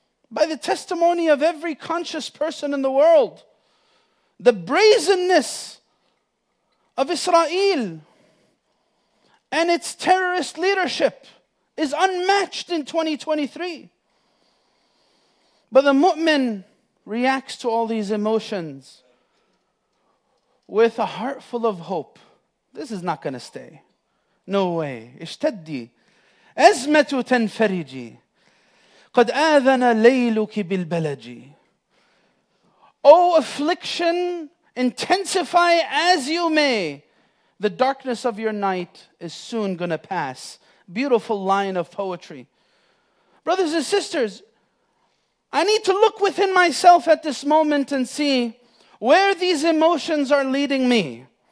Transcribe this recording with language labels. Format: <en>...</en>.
<en>By the testimony of every conscious person in the world, the brazenness of Israel and its terrorist leadership is unmatched in 2023. But the mu'min reacts to all these emotions with a heart full of hope. This is not going to stay. No way.</en> <ar>اشتدي أزمة تنفرجي قد آذن ليلك بالبلجي.</ar> <en>Oh affliction, intensify as you may, the darkness of your night is soon going to pass. Beautiful line of poetry. Brothers and sisters, I need to look within myself at this moment and see where these emotions are leading me.</en>